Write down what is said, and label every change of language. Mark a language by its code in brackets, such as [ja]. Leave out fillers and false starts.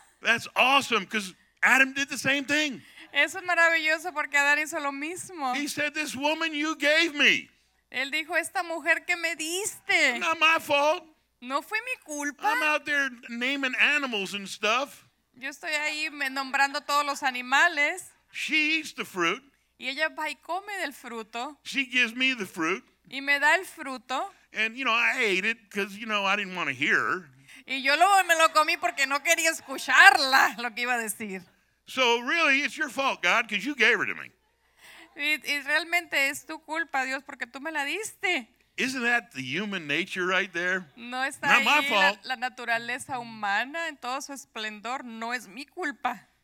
[en] That's awesome, because Adam did the same thing. [es] Eso es maravilloso porque Adán hizo lo mismo. [en] He said, "This woman you gave me." [es] Él dijo, "Esta mujer que me diste." [en] Not my fault. [es] No fue mi culpa. [en] I'm out there naming animals and stuff. [es] Yo estoy ahí nombrando todos los animales. [en] She eats the fruit. [es] Y ella va y come del fruto. [en] She gives me the fruit. [es] Y me da el fruto. [en] And you know, I ate it because you know I didn't want to hear her. [es] Y yo me lo comí porque no quería escucharla lo que iba a decir. [en] So really, it's your fault, God, because you gave her to me. [es] Y realmente es tu culpa, Dios, porque tú me la diste. [en] Isn't that the human nature right there? [es] No está ahí. [en] Not my fault. [es] La naturaleza humana en todo su esplendor no es mi culpa.